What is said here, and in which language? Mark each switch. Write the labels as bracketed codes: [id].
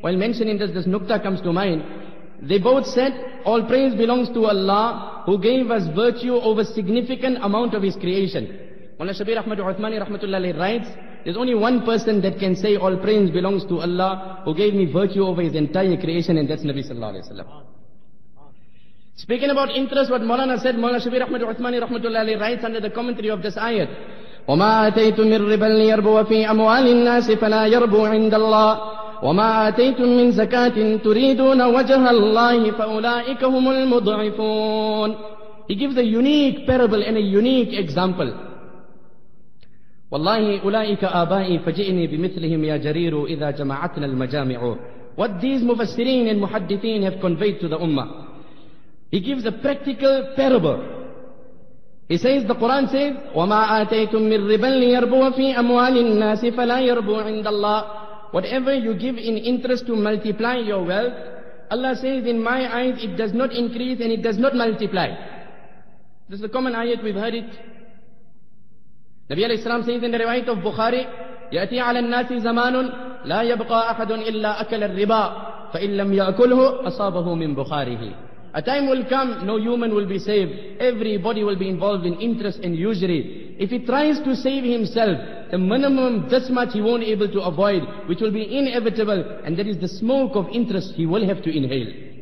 [en] While mentioning this nukta comes to mind. They both said, all praise belongs to Allah who gave us virtue over significant amount of His creation. Mullah Shabir Ahmad Uthmani rahmatullahi writes, there's only one person that can say all praise belongs to Allah who gave me virtue over His entire creation, and that's Nabi sallallahu alayhi wa sallam. Speaking about interest, what Maulana said, Maulana Shabir Ahmad Uthmani rahmatullahi writes under the commentary of this ayat, [ar] وَمَا أَتَيْتُم مِّن رِّبًا لِّيَرْبُوَ فِي أَمْوَالِ النَّاسِ فَلَا يَرْبُو عِندَ اللَّهِ وَمَا أَتَيْتُم مِّن زَكَاةٍ تُرِيدُونَ وَجْهَ اللَّهِ فَأُولَٰئِكَ هُمُ الْمُضْعِفُونَ. [en] He gives a unique parable and a unique example. [ar] وَاللَّهِ أُولَٰئِكَ آبَائِي فَجِئْنِي بِمِثْلِهِمْ يَا جَرِيرُ إِذَا جَمَعَتْنَا الْمَجَامِعُ. [en] What these mufassirin and muhaddithin have conveyed to the ummah. He gives a practical parable. He says, the Quran says, [ar] وَمَا آتَيْتُم مِّن رِّبًا لِّيَرْبُوَ فِي أَمْوَالِ النَّاسِ فَلَا يَرْبُو عِندَ اللَّهِ. [en] Whatever you give in interest to multiply your wealth, Allah says, in my eyes, it does not increase and it does not multiply. This is a common ayat, we've heard it. Nabi alayhi salam says in the riwayat of Bukhari, [ar] يَأْتِي عَلَى النَّاسِ زَمَانٌ لَا يَبْقَى أَحَدٌ إِلَّا أَكَلَ الرِّبَا فَإِنْ لَمْ يَأْكُلْهُ أَصَابَهُ مِنْ بُخَارِهِ. [en] A time will come, no human will be saved. Everybody will be involved in interest and usury. If he tries to save himself, the minimum this much he won't be able to avoid, which will be inevitable, and that is the smoke of interest he will have to inhale.